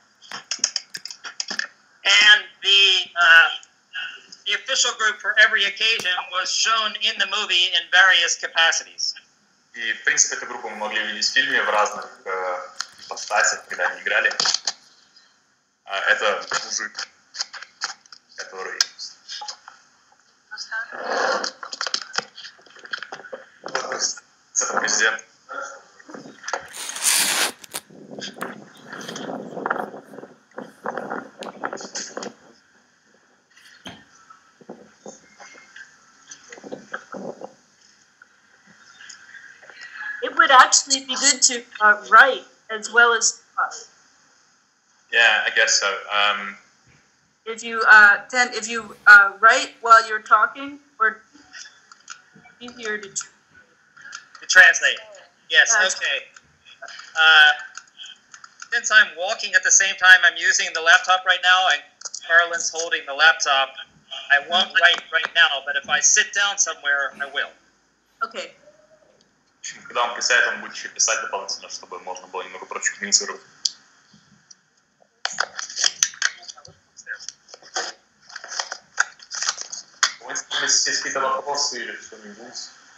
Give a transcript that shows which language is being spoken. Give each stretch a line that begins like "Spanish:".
English: And the official group for every occasion was shown in the movie in various capacities.
Russian: И в принципе эту группу мы могли видеть в фильме в разных постасях, когда они играли. Это мужик, который.
English: Yeah. would actually be good to write as well as talk. Yeah, I guess so. If you write while you're talking, or easier to translate. Yes. Okay. Since I'm walking at the same time I'm using the laptop right now, and Carlin's holding the laptop, I won't write right now. But if I sit down somewhere, I will. Okay.
Russian: Когда он писает, он будет еще писать дополнительно, чтобы можно было немного прочувствовать. Есть какие-то вопросы или что-нибудь?